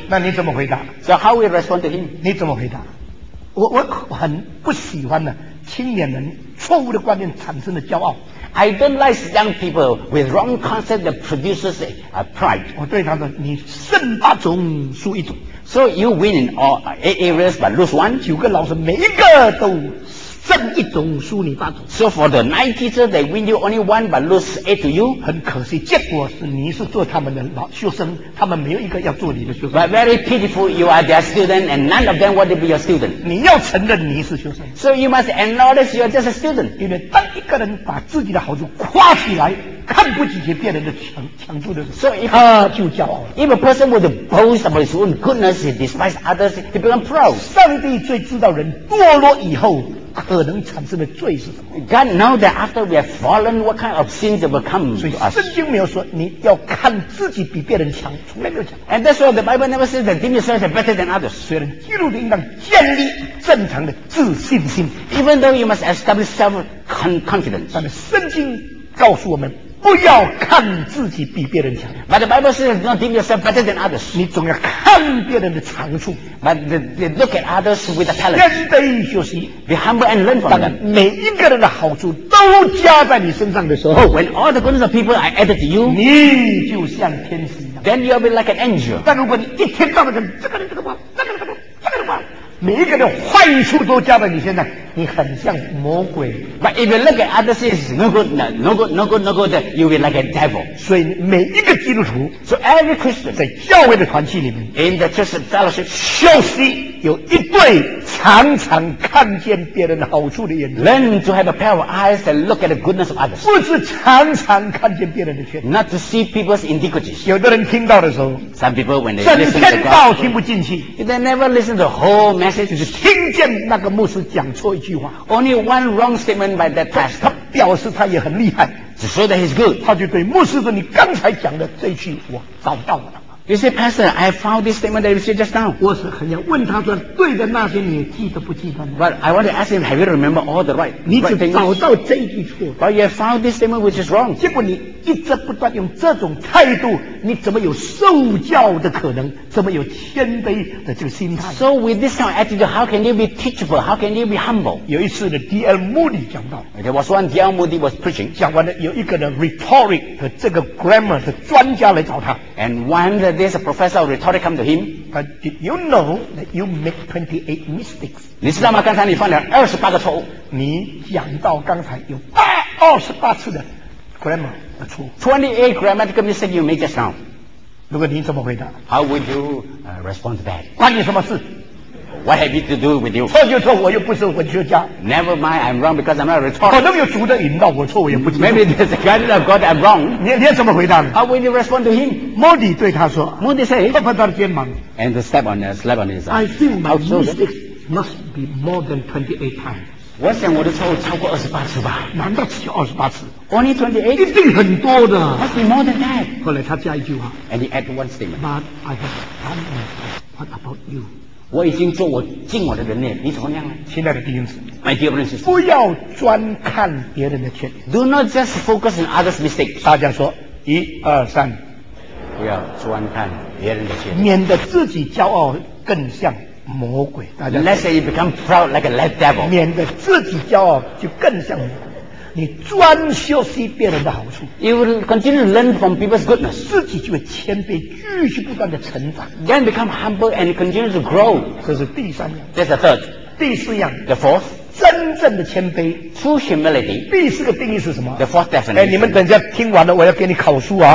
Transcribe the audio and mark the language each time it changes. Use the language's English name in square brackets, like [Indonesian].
[Chinese] 那你怎么回答 [English] ？So how we respond to him? [Chinese] 你怎么回答？我很不喜欢呢，青年人错误的观念产生的骄傲。 [English] I don't like young people with wrong concept that produces a pride. [Chinese] 我对他说，你胜八种，输一种。 [English] So you win in all 8 areas but lose one. [Chinese] 九个老师每一个都。胜一种输你八种。 [English] So for the 9 teachers, they win you only one, but lose 8 to you. [Chinese] 很可惜，结果是你是做他们的老学生，他们没有一个要做你的学生。 [English] But very pitiful, you are their student, and none of them want to be your student. [Chinese] 你要承认你是学生。 [English] So you must acknowledge you are just a student. [Chinese] 因为当一个人把自己的好处夸起来，看不起别人的强处的时候，他就骄傲了。 [English] If a person would boast about his own goodness, he despises others, he becomes proud. [Chinese] 上帝最知道人堕落以后。可能产生的罪是什么 [English] ？God know that after we have fallen, what kind of sins will come to us? [Chinese] 所以圣经没有说你要看自己比别人强，从来没有讲。 [English] And that's why the Bible never says that think yourself better than others. [Chinese] 虽然基督徒应当建立正常的自信心 [English] ，even though you must establish self confidence. [Chinese] 但是圣经告诉我们。不要看自己比别人强。 [English] But the Bible says not think yourself better than others. [Chinese] 你总要看别人的长处。 [English] But they look at others with a talent. [Chinese] 谦卑学习。 [English] Be humble and learn from them. [Chinese] 当每一个人的好处都加在你身上的时候 [English] ，When all the goodness of people are added to you, [Chinese] 你就像天使一样。 [English] Then you'll be like an angel. [Chinese] 但如果你一天到晚跟这个人这个不好，那个人不好，这个人不好。每一个的坏处都加在你身上，你很像魔鬼。 [English] But if you look at other things, no good, you will be like a devil. [Chinese] 所以每一个基督徒 [English] ，so every Christian [Chinese] 在教会的团契里面 [English] ，in the church fellowship, [Chinese] 休息有一对常常看见别人好处的眼睛 [English] ，learn to have a pair of eyes that look at the goodness of others. [Chinese] 不是常常看见别人的缺点 [English] ，not to see people's iniquities. [Chinese] 有的人听到的时候 [English] ，some people when they listen to God, [Chinese] 整天道听不进去 [English] ，they never listen to the whole message. [Chinese] 就是听见那个牧师讲错。一句话 [English] Only one wrong statement by that pastor. [Chinese] 他表示他也很厉害 [English] To show that he's good. [Chinese] 他就对牧师说你刚才讲的这句我找到了 [English] You say pastor I found this statement that you said just now. [Chinese] 我是很想问他说对的那些你记得不记得吗 [English] But I want to ask him have you remember all the right [Chinese] 你只找到这一句错 [English] But you found this statement which is wrong. [Chinese] 结果你一直不断用这种态度你怎么有受教的可能怎么有谦卑的这个心态 [English] So with this kind of attitude How can you be teachable How can you be humble [Chinese] 有一次的 D.L. Moody 讲到 [English] There was one D.L. Moody was preaching [Chinese] 讲完了有一个的 rhetoric 和这个 grammar 的专家来找他 [English] And one this professor of rhetoric come to him But did you know that you make 28 mistakes [Chinese] 你知道吗刚才你犯了28个错误你讲到刚才有28次的 grammar 的错误 [English] 28 grammatical mistakes you made just now [Chinese] 如果你怎么回答 [English] How would you respond to that? [Chinese] 关你什么事 [English] What have you to do with you? [Chinese] 错就错我又不是文学家 [English] Never mind, I'm wrong because I'm not a rhetorical [Chinese] 可能有主的引导我错我也不知道 [English] Maybe there's a guidance of God, I'm wrong [Chinese] 你怎么回答 [English] How would you respond to him? [Chinese] Modi 对他说 [English] Modi say [Chinese] 拍拍他的肩膀 [English] And slap on his arm I think my mistakes must be more than 28 times [Chinese] 我想我的错误超过28次吧难道只有28次 [English] Only 28 [Chinese] 一定很多的 [English] Must be more than that [Chinese] 后来他加一句话 [English] And he add one statement But I have done my best What about you? [Chinese] 我已经做我尽我的人了你怎么样呢亲爱的弟兄姊 [English] 妹 My dear brothers [Chinese] 不要专看别人的缺点 [English] Do not just focus on others' mistakes [Chinese] 大家说一二三不要专看别人的缺点免得自己骄傲更像魔鬼大家 [English] Let's say you become proud like a red devil [Chinese] 免得自己骄傲就更像魔鬼你专修习别人的好处 [English] You will continue to learn from people's goodness [Chinese] 自己就会谦卑继续不断的成长 [English] Then become humble and continue to grow [Chinese] 这是第三样 [English] That's the third [Chinese] 第四样 [English] The fourth [Chinese] 真正的谦卑 [English] True humility [Chinese] 第四个定义是什么 [English] The fourth definition [Chinese] 你们等一下听完了我要给你考书啊